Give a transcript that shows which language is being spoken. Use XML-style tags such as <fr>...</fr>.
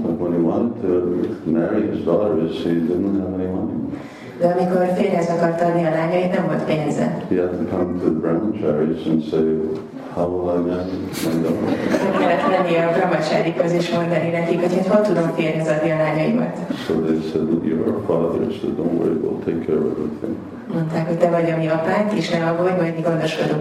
<en>But when he wanted to marry his daughters, he didn't have any money.</en> <hu>De amikor férjhez akart adni a lányait, nem volt pénze.</hu> <en>He had to come to the brahmacharis and say, how will I marry my daughter?</en> <hu>Meg kellett lennie a brahmacharikhoz és mondani nekik, hogy hát hol tudom férjhez adni a lányaimat.</hu> <en>So they said, you're our father, so don't worry, we'll take care of everything.</en> <hu>Mondták, hogy te vagy a mi apánk, és ne aggódj, majd mi gondoskodunk</hu>